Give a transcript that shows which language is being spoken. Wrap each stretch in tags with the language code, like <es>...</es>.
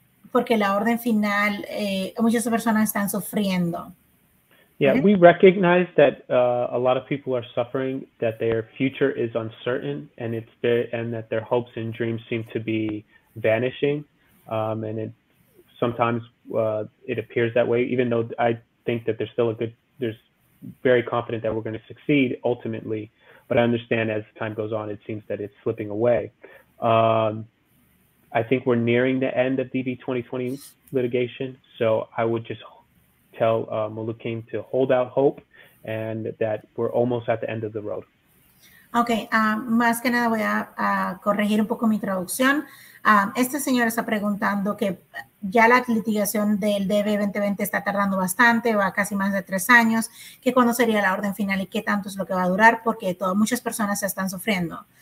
<es>Porque la orden final, muchas personas están sufriendo.</es> <en>Yeah, we recognize that a lot of people are suffering, that their future is uncertain, and that their hopes and dreams seem to be vanishing. And it sometimes it appears that way, even though I think that there's very confident that we're going to succeed ultimately. But I understand as time goes on, it seems that it's slipping away. I think we're nearing the end of DB 2020 litigation, so I would just tell Malukin to hold out hope and that we're almost at the end of the road.</en> <es>Ok, más que nada voy a corregir un poco mi traducción. Este señor está preguntando que ya la litigación del DB 2020 está tardando bastante, va casi más de 3 años, que cuándo sería la orden final y qué tanto es lo que va a durar, porque muchas personas están sufriendo.</es>